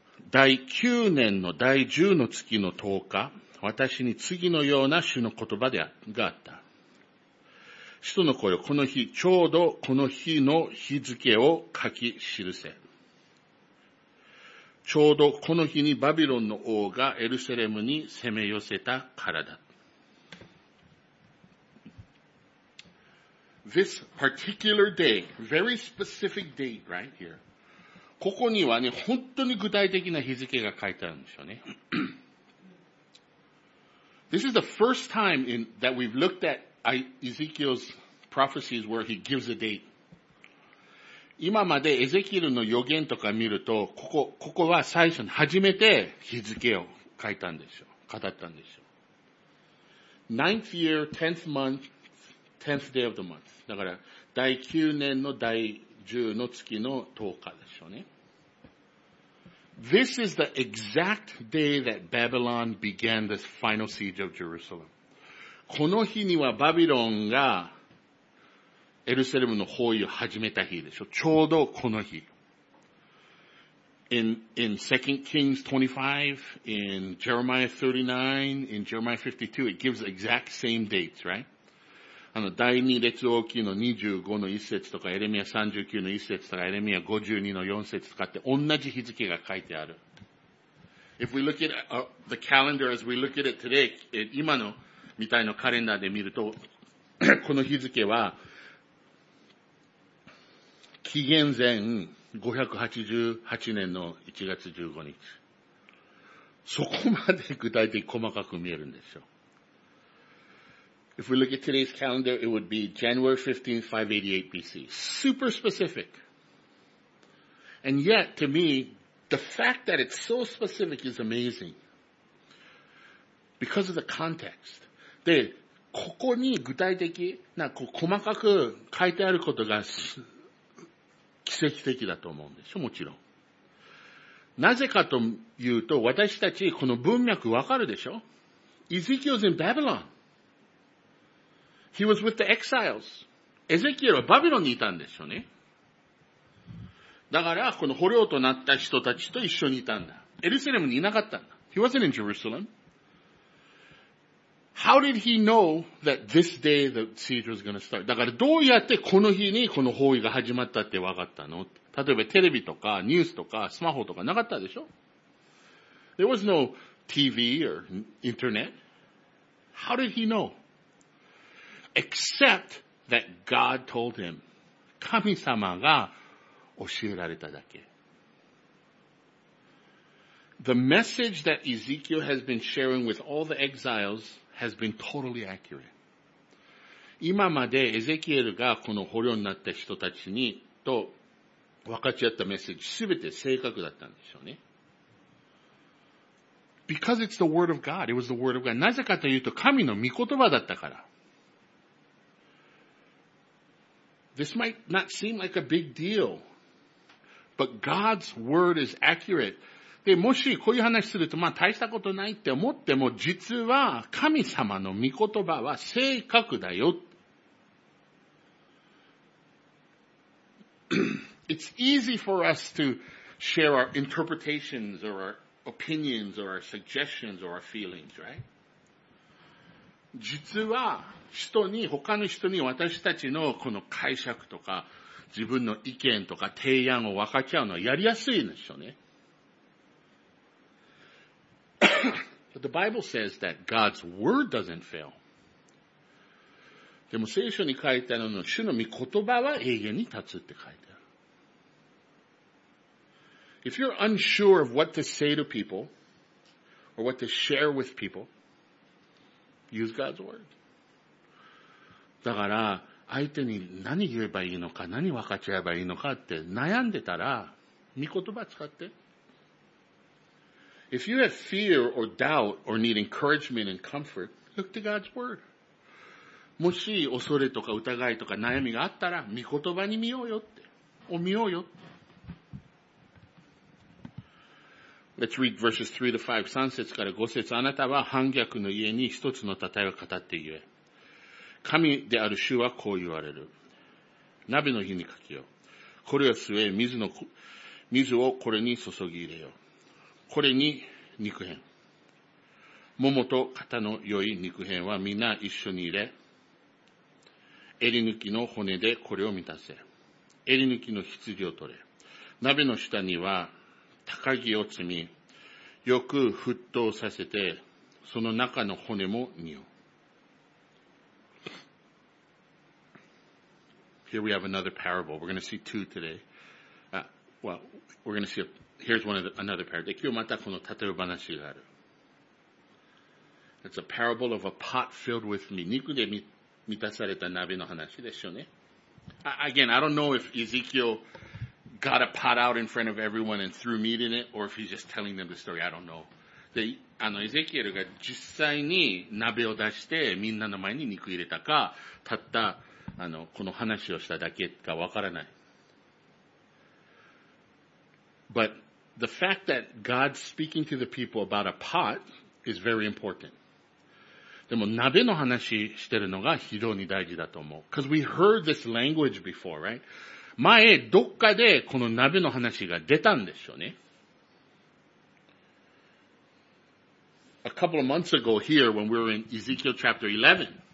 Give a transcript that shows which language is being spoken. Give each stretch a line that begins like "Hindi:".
Japanese: 第9年の第10の月の10日、私に次のような主の言葉があった。使徒の声をこの日、ちょうどこの日の日付を書き記せ。ちょうどこの日にバビロンの王がエルサレムに攻め寄せたからだ。
English: This particular day, very specific date right here.
Japanese: ここにはね、本当に具体的な日付が書いてあるんでしょうね。
English: This is the first time that we've looked at Ezekiel's prophecies where he gives a date.
Japanese: 今までエゼキエルの予言とか見ると、ここは最初に初めて日付を書いたんでしょう。語ったんでしょう。
English: Ninth year, tenth month, tenth day of the month.
Japanese: だから、第9年の第10の月の10日でしょうね。
English: This is the exact day that Babylon began the final siege of Jerusalem.
Japanese: この日にはバビロンがエルサレムの包囲を始めた日でしょ。ちょうどこの日。
English: in 2 Kings 25, in Jeremiah 39, in Jeremiah 52, it gives exact same dates, right?
Japanese: あの、第二列王記の25の1節とか、エレミア39の1節とか、エレミア52の4節とかって、同じ日付が書いてある。
English: If we look at the calendar as we look at it today,
Japanese: 今のみたいなカレンダーで見ると、この日付は、紀元前588年の1月15日。そこまで具体的に細かく見えるんですよ。
English: If we look at today's calendar, it would be January 15th, 588 BC. Super specific. And yet, to me, the fact that it's so specific is amazing. Because of the context.
Japanese: で、ここに具体的な、こう、細かく書いてあることが奇跡的だと思うんですよ、もちろん。なぜかというと、私たち、この文脈わかるでしょ ?
English: Ezekiel's in Babylon. He was with the exiles.
Japanese: エゼキエルはバビロンにいたんですよね。だから、この捕虜となった人たちと一緒にいたんだ。エルサレムにいなかったんだ。
English: He wasn't in Jerusalem. How did he know that this day the siege was going to start?
Japanese: だから、どうやってこの日にこの包囲が始まったって分かったの? 例えば、テレビとか、ニュースとか、スマホとかなかったでしょ?
English: There was no TV or internet. How did he know? Except that God told him.
Japanese: 神様が教えられただけ。
English: The message that Ezekiel has been sharing with all the exiles has been totally accurate.
Japanese: 今までエゼキエルがこの捕虜になった人たちにと分かち合ったメッセージ、すべて正確だったんでしょうね。
English: Because it's the word of God. It was the word of God.
Japanese: なぜかというと神の御言葉だったから。
English: This might not seem like a big deal, but God's word is accurate.
Japanese: で、もしこういう話すると、まあ大したことないって思っても、実は神様の御言葉は正確だよ。
English: It's easy for us to share our interpretations or our opinions or our suggestions or our feelings, right?
Japanese: 実は、人に、他の人に私たちのこの解釈とか、自分の意見とか提案を分かち合うのはやりやすいんですよね。
English: But the Bible says that God's word doesn't fail.
Japanese: でも聖書に書いてあるの、主の御言葉は永遠に立つって書いてある。
English: If you're unsure of what to say to people, or what to share with people,Use God's word.
Japanese: だから、相手に何言えばいいのか、何分かち合えばいいのかって悩んでたら、御言葉使って。
English: If you have fear or doubt or need encouragement and comfort, look to God's word.
Japanese: もし、恐れとか疑いとか悩みがあったら、御言葉に見ようよって。を見ようよ。
English: Let's read verses 3 to 5.
Japanese: 3節から5節。あなたは反逆の家に一つの讃えを語って言え。神である主はこう言われる。鍋の火にかけよ。これを据え、水をこれに注ぎ入れよ。これに肉片。桃と肩の良い肉片は皆一緒に入れ。襟抜きの骨でこれを満たせ。襟抜きの羊を取れ。鍋の下には、高木を積み、よく沸騰させて、その中の骨も煮よう。
English: Here we have another parable. We're going to see two today. Here's another parable.
Japanese: 今日またこの例え話がある。
English: It's a parable of a pot filled with meat.
Japanese: 肉で満たされた鍋の話でしょうね。
English: Again, I don't know if Ezekiel... got a pot out in front of everyone and threw meat in it, or if he's just telling them the story, I don't know.
Japanese: で、あの、エゼキエルが実際に鍋を出してみんなの前に肉入れたか、たった、あの、この話をしただけかわからない。
English: But the fact that God's speaking to the people about a pot is very important.
Japanese: でも鍋の話してるのが非常に大事だと思う。
English: Because we heard this language before, right?
Japanese: 前、どっかでこの鍋の話が出たんでしょうね。
English: a couple of months ago here when we were in Ezekiel chapter 11.